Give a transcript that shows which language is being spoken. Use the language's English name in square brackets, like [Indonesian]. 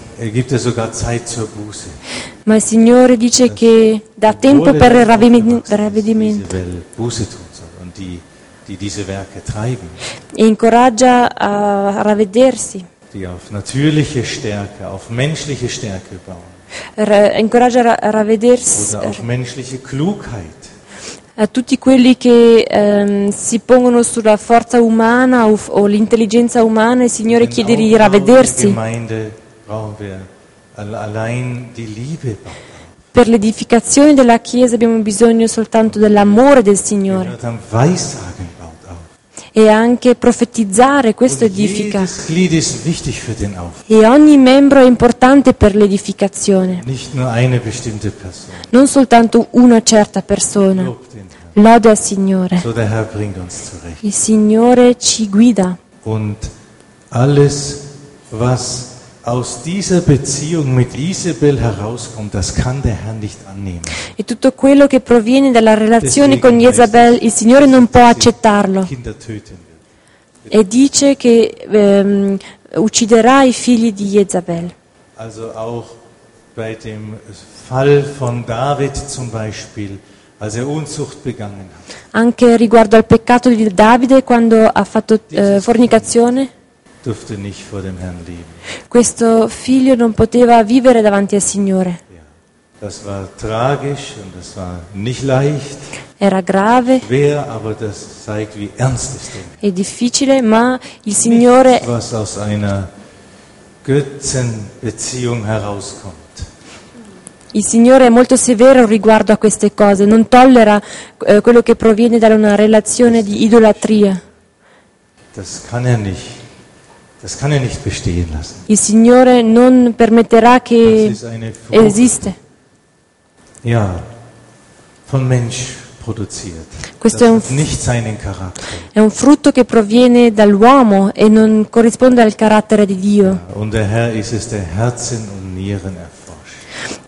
[German] Er gibt es sogar Zeit zur Buße. [Italian] Ma il Signore dice che dà tempo per il ravvedimento. [German] Isabel Buße tun soll und die diese Werke treiben. [Italian] E incoraggia a ravvedersi. [German] Die auf natürliche Stärke, auf menschliche Stärke bauen. [Italian] Incoraggia a [German] oder auf menschliche Klugheit. [Italian] A tutti quelli che si pongono sulla forza umana o l'intelligenza umana, il Signore chiede di ravvedersi. [German] In der Gemeinde brauchen wir allein die Liebe. [Italian] Per l'edificazione della Chiesa abbiamo bisogno soltanto dell'amore del Signore. [German] Wir dann Weissagen bauen. [Italian] E anche profetizzare, questo edifica. [German] Jedes Glied ist wichtig für den Aufbau. [Italian] E ogni membro è importante per l'edificazione. [German] Nicht nur eine bestimmte Person. [Italian] Non soltanto una certa persona. Lode al Signore. [German] So der Herr bringt uns zurecht. [Italian] Il Signore ci guida. [German] Und alles, was aus dieser Beziehung mit Isabel herauskommt, das kann der Herr nicht annehmen. [Italian] E tutto quello che proviene dalla relazione con Jezabel, il Signore non può accettarlo. [German] Kinder töten wird. [Italian] E dice che ucciderà i figli di Jezabel. [German] Also auch bei dem Fall von David zum Beispiel, als er Unzucht begangen hat. [Italian] Anche riguardo al peccato di Davide quando ha fatto fornicazione. [German] Durfte nicht vor dem Herrn leben. [Italian] Questo figlio non poteva vivere davanti al Signore. [German] Ja, das war tragisch und das war nicht leicht. [Italian] Era grave. [German] Schwer, aber das zeigt, wie ernst es ist. [Italian] È difficile, ma il Signore. [German] Nicht, was aus einer Götzenbeziehung herauskommt. [Italian] Il Signore è molto severo riguardo a queste cose. Non tollera quello che proviene da una relazione di idolatria. [German] Das kann er nicht. Das kann er nicht bestehen lassen. [Italian] Il Signore non permetterà che esiste. [German] Ja, von Mensch produziert. [Italian] Questo è un [German] nicht seinen Charakter. [Italian] È un frutto che proviene dall'uomo e non corrisponde al carattere di Dio. [German] Ja, und der Herr ist es, der Herzen und Nieren erforscht.